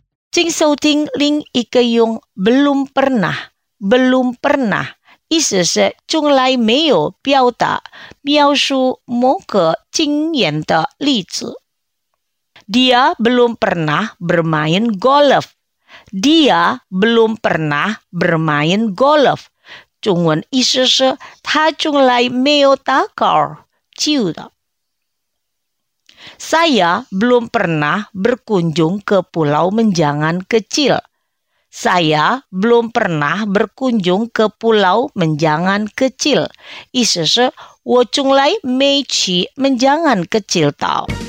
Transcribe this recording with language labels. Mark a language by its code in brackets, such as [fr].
[zh] 请收听另一个用 [id] belum pernah, belum pernah, [zh] 意思是从来没有表达描述某个经验的例子。 [id] Dia belum pernah bermain golf. Dia belum pernah bermain golf. [zh] 中文意思是他从来没有打高尔夫的。 [id] Saya belum pernah berkunjung ke Pulau Menjangan kecil. Saya belum pernah berkunjung ke Pulau Menjangan kecil. [zh] 意思是我从来没去Menjangan kecil tau.